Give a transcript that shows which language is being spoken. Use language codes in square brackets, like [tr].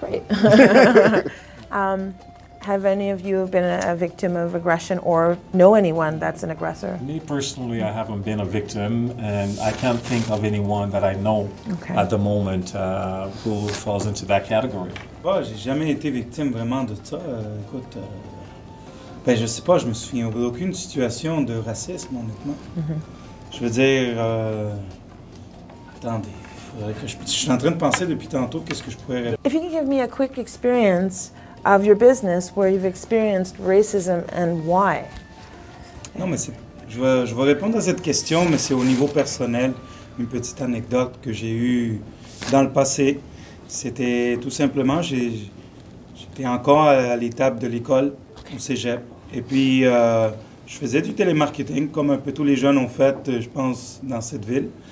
[en] Great. Have any of you been a victim of aggression or know anyone that's an aggressor? Me personally, I haven't been a victim, and I can't think of anyone that I know at the moment who falls into that category. [fr] Bah, j'ai jamais été victime vraiment de ça. Écoute, ben je sais pas, je me souviens d'aucune situation de racisme, honnêtement. Je veux dire, attendez, je suis en train de penser depuis tantôt qu'est-ce que je pourrais. [en] If you can give me a quick experience of your business where you've experienced racism and why? [fr] Non, mais c'est, Je vais répondre à cette question, mais c'est au niveau personnel. Une petite anecdote que j'ai eue dans le passé, c'était tout simplement, j'étais encore à l'étape de l'école, au cégep, et puis je faisais du télémarketing, comme un peu tous les jeunes ont fait, je pense, dans cette ville.